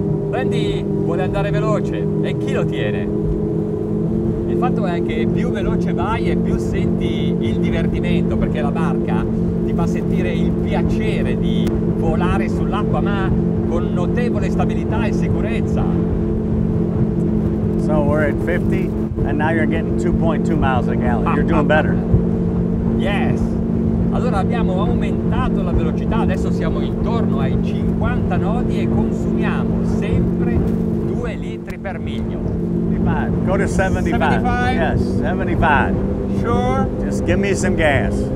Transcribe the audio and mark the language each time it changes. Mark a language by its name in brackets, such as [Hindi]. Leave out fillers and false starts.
[Italian] Randy vuole andare veloce, e chi lo tiene? Il fatto è che più veloce vai e più senti il divertimento, perché la barca ti fa sentire il piacere di volare sull'acqua, ma con notevole stabilità e sicurezza. [English] So we're at 50 and now you're getting 2.2 miles a gallon. You're doing better. Yes. [Italian] Allora abbiamo aumentato la velocità, adesso siamo intorno ai 50 nodi e consumiamo sempre 2 litri per miglio. [English] Go to 75. 75? Yes, 75. Sure. Just give me some gas.